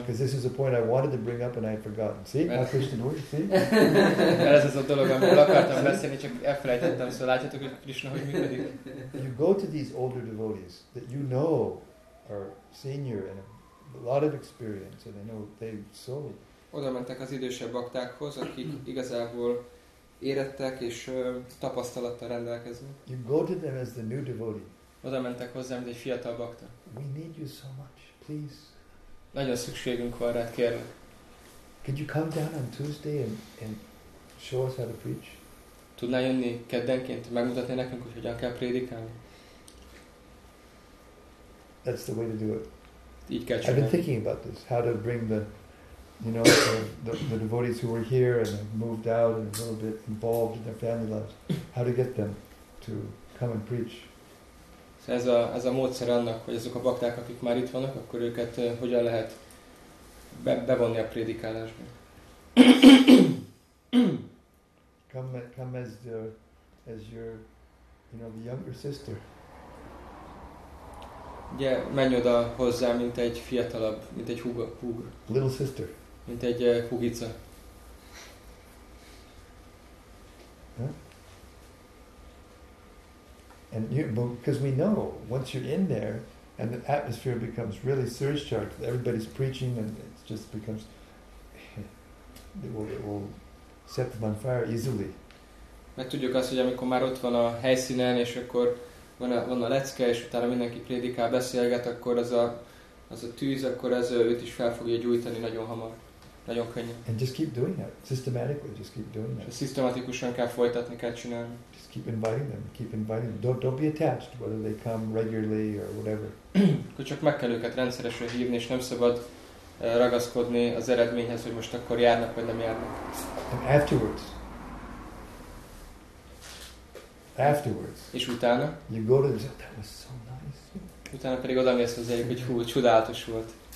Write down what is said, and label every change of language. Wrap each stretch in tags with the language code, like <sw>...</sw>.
<en>Because this is a point I wanted to bring up and I had forgotten. See, my Krishna knows, see?</en> <hu>Ez az a dolog, amiről akartam beszélni, csak elfelejtettem, szóval látjátok, hogy Krishna, hogy működik.</hu> <en>You go to these older devotees that you know are senior and a lot of experience and they know they so.</en> <hu>Oda mentek az idősebb baktákhoz, akik igazából érettek és tapasztalattal rendelkeznek.</hu> <en>You go to them as the new devotee.</en> <hu>Oda mentek hozzám, de egy fiatal bakta.</hu> <en>We need you so much, please.</en> <hu>Nagyon szükségünk van rád, kérlek.</hu> <en>Could you come down on Tuesday and show us how to preach?</en> <hu>Tudnál jönni keddenként, megmutatni nekünk, hogy hogyan kell prédikálni?</hu> <en>That's the way to do it.</en> <hu>Így kell csinálni.</hu> <en>I've been thinking about this, how to bring the, you know, the devotees who were here and moved out and a little bit involved in their family lives, how to get them to come and preach.</en> <hu>Ez a módszer annak, hogy azok a bakták, akik már itt vannak, akkor őket hogyan lehet bevonni a prédikálásba.</hu> <en>Come as your, you know, the younger sister.</en> <hu>Ugye, menj oda hozzá, mint egy fiatalabb, mint egy húg.</hu> <en>Little sister.</en> <hu>Mint egy húgica. Huh?</hu> <en>And you, because we know once you're in there, and the atmosphere becomes really surcharged, everybody's preaching, and it just becomes it will set them on fire easily.</en> <hu>Meg tudjuk azt, hogy amikor már ott van a helyszínen, és akkor van a lecke, és utána mindenki prédikál, beszélget, akkor az a tűz, akkor ez őt is fel fogja gyújtani nagyon hamar. Nagyon könnyen.</hu> <en>And just keep doing that. Systematically, just keep doing that.</en> <hu>Szisztematikusan kell folytatni, kell csinálni.</hu> <en>Just keep inviting them. Don't be attached, whether they come regularly or whatever.</en> <hu>Akkor csak meg kell őket rendszeresen hívni, és nem szabad ragaszkodni az eredményhez, hogy most akkor járnak, vagy nem járnak.</hu> <en>And afterwards.</en> <hu>És utána?</hu> <en>You go to this, that was so nice.</en> <hu>Utána pedig odamész hozzájuk, hogy hú, csodálatos volt.</hu>